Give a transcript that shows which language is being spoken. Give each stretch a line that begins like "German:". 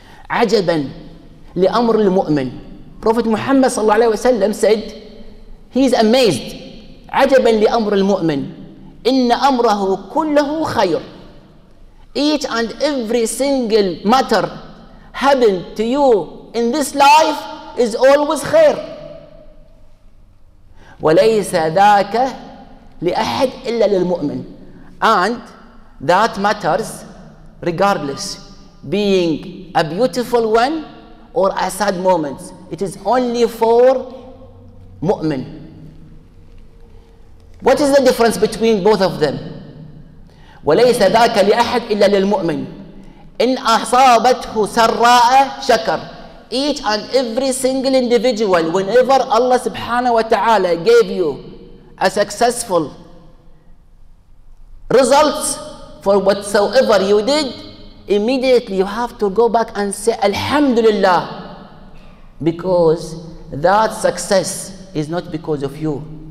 Arabic: عجباً لأمر المؤمن.
English: Prophet Muhammad sallallahu alayhi wa sallam said, he's amazed.
Arabic: عجباً لأمر المؤمن. إن أمره كله خير.
English: Each and every single matter happened to you in this life is always خير.
Arabic: وليس ذاك لأحد إلا للمؤمن.
English: And that matters regardless being a beautiful one or a sad moment. It is only for مؤمن. What is the difference between both of them?
Arabic: وليس ذاك لأحد إلا للمؤمن. إن أصابته سراء شكر.
English: Each and every single individual, whenever Allah subhanahu wa ta'ala gave you a successful result for whatsoever you did, immediately you have to go back and say Alhamdulillah, because that success is not because of you.